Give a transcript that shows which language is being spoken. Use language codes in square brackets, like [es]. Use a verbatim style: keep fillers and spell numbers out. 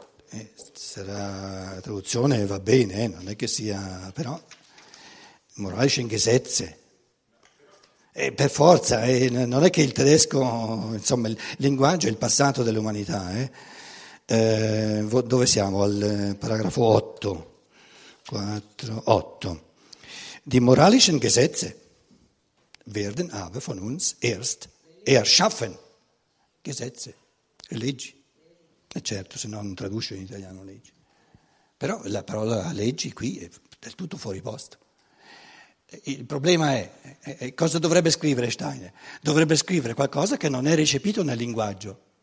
[it] Eh, sarà, la traduzione va bene, eh, non è che sia, però, [de] moralische Gesetze. [it] Eh, per forza, eh, non è che il tedesco, insomma, il linguaggio è il passato dell'umanità. Eh. Eh, dove siamo? Al paragrafo otto, quattro, otto. [de] Die moralischen Gesetze werden aber von uns erst erschaffen. Gesetze, leggi. [it] E eh certo, se no non traduce in italiano leggi. Però la parola leggi qui è del tutto fuori posto. Il problema è, è, è cosa dovrebbe scrivere Steiner? Dovrebbe scrivere qualcosa che non è recepito nel linguaggio.